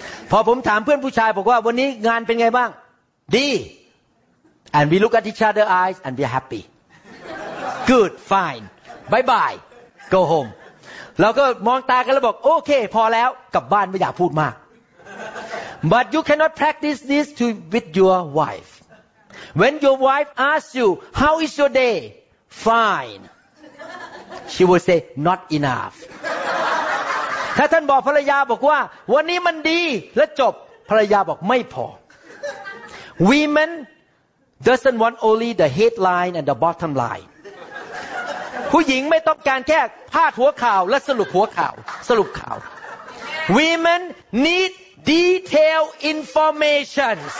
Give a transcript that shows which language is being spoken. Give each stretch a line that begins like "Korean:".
Thai: พอผมถามเพื่อนผู้ชายบอกว่าวันนี้งานเป็นไงบ้างดี
English: and we look at each other eyes and we're happy good fine bye bye go home
Thai: แล้วก็มองตากันแล้วบอกโอเคพอแล้วกลับบ้านไม่อยากพูดมาก
English: But you cannot practice this to with your wife. When your wife asks you, "How is your day?" Fine. She will say, "Not enough."
Thai: ถ้าท่านบอกภรรยาบอกว่าวันนี้มันดีและจบภรรยาบอกไม่พอ
English: Women doesn't want only the headline and the bottom line.
Thai: ผู้หญิงไม่ต้องการแค่พาดหัวข่าวและสรุปหัวข่าวสรุปข่าว
English: Women needDetail information.